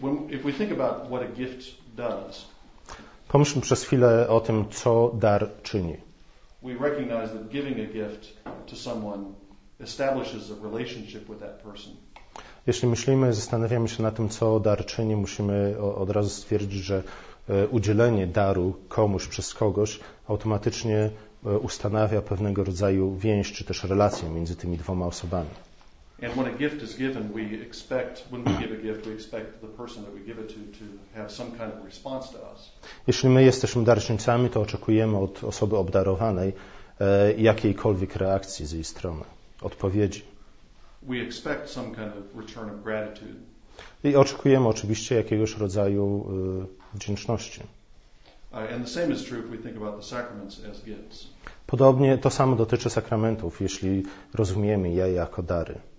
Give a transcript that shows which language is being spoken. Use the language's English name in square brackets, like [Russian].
[English] If we think about what a gift does. [Polish] Pomyślmy przez chwilę o tym, co dar czyni. [English] We recognize that giving a gift to someone establishes a relationship with that person. [Polish] Jeśli myślimy, zastanawiamy się na tym, co dar czyni, musimy od razu stwierdzić, że udzielenie daru komuś przez kogoś automatycznie ustanawia pewnego rodzaju więź czy też relację między tymi dwoma osobami. [English] And when a gift is given, we expect, when we give a gift, we expect the person that we give it to have some kind of response to us. [Polish] Jeśli my jesteśmy darczyńcami, to oczekujemy od osoby obdarowanej jakiejkolwiek reakcji z jej strony, odpowiedzi. [English] We expect some kind of return of gratitude. [Polish] I oczekujemy oczywiście jakiegoś rodzaju wdzięczności. [English] And the same is true if we think about the sacraments as gifts. [Polish] Podobnie to samo dotyczy sakramentów, jeśli rozumiemy je jako dary.